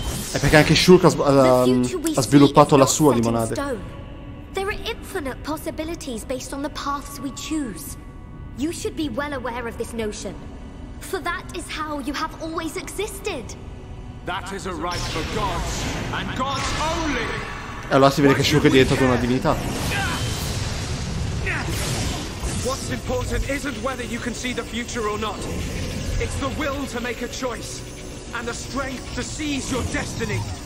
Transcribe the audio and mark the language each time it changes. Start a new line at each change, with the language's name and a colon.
Italian: È perché anche Shulk ha sviluppato la sua di monade.
English: There are infinite possibilities based on the paths we choose. You should be well aware of this notion. For that is how you have always existed. That is a right for gods and gods only.
Italian: E allora si vede che Shulk è diventato una divinità.
English: What's important isn't whether you can see the future or not. It's the will to make a choice and the strength to seize your destiny.